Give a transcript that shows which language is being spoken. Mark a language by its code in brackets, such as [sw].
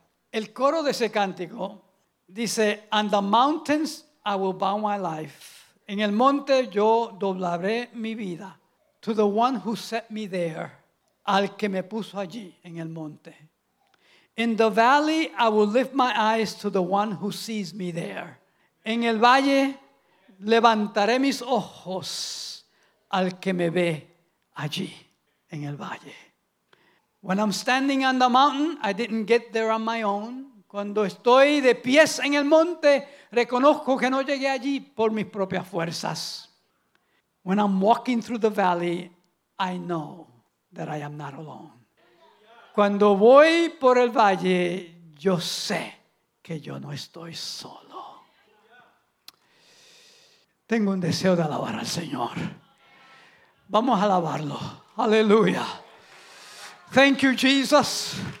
[es] El coro de ese cántico dice: [en] "And the mountains I will bow my life. [es] En el monte yo doblaré mi vida. [en] To the one who set me there. [es] Al que me puso allí en el monte. [en] In the valley I will lift my eyes to the one who sees me there. [es] En el valle levantaré mis ojos al que me ve allí en el valle." [en] When I'm standing on the mountain, I didn't get there on my own. [es] Cuando estoy de pies en el monte, reconozco que no llegué allí por mis propias fuerzas. [en] When I'm walking through the valley, I know that I am not alone. [es] Cuando voy por el valle, yo sé que yo no estoy solo. Tengo un deseo de alabar al Señor. Vamos a alabarlo. Aleluya. [en] Thank you, Jesus.